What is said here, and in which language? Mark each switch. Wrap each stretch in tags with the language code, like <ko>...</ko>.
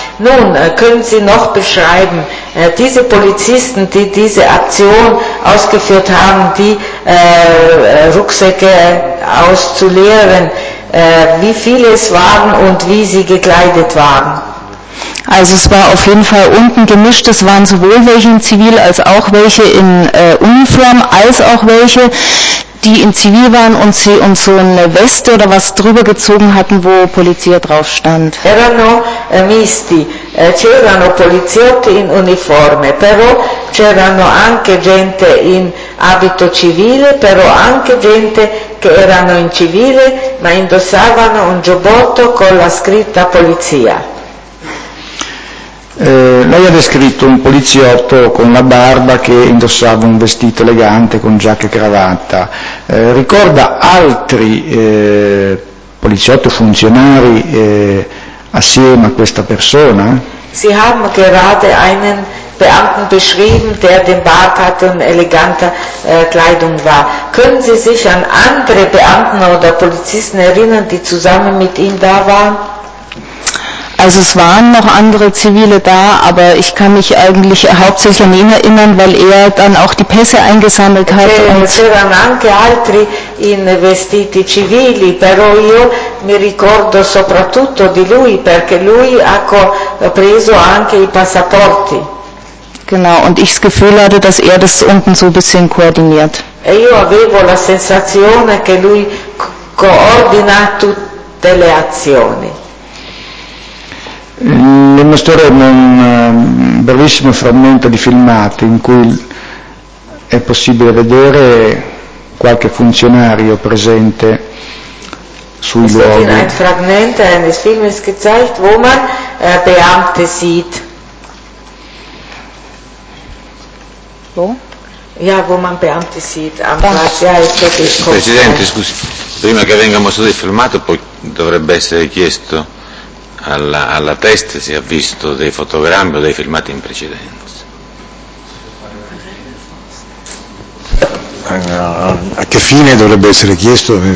<de>Nun, können Sie noch beschreiben, diese Polizisten, die diese Aktion ausgeführt haben, die Rucksäcke auszuleeren, wie viele es waren und wie sie gekleidet waren? Also es war auf jeden Fall unten gemischt, es waren sowohl welche in Zivil als auch welche in Uniform, als auch welche, die in Zivil waren und sie uns so eine Weste oder was drüber gezogen hatten, wo Polizier drauf stand.</de> <it>Erano misti, c'erano poliziotti in uniforme, però c'erano anche gente in abito civile, però anche gente che erano in civile, ma indossavano un giubbotto con la scritta polizia. Lei ha descritto un poliziotto con la barba che indossava un vestito elegante con giacca e cravatta. Ricorda altri poliziotti funzionari assieme a questa persona?</it> <de>Sie haben gerade einen Beamten beschrieben, der den Bart hatte und eleganter Kleidung war. Können Sie sich an andere Beamten oder Polizisten erinnern, die zusammen mit ihm da waren? Also es waren noch andere Zivile da, aber ich kann mich eigentlich hauptsächlich an ihn erinnern, weil er dann auch die Pässe eingesammelt hat.</de> <it>C'erano anche altri in vestiti civili, però io mi ricordo soprattutto di lui, perché lui ha preso anche i passaporti.</it> <de>Genau, und ich das Gefühl hatte, dass er das unten so ein bisschen koordiniert.</de> <it>E io avevo la sensazione che lui coordina tutte le azioni. Le mostreremo un brevissimo frammento di filmato in cui è possibile vedere qualche funzionario presente sui luoghi.</it> <de>Es wird ein Fragment eines Films gezeigt, wo man Beamte sieht. Wo? Ja, wo man Beamte sieht. Am Platz, ja, ist wirklich kurz.</de> <it>Presidente, scusi, prima che venga mostrato il filmato, poi dovrebbe essere chiesto alla testa si è visto dei fotogrammi o dei filmati in precedenza. A che fine dovrebbe essere chiesto?</it>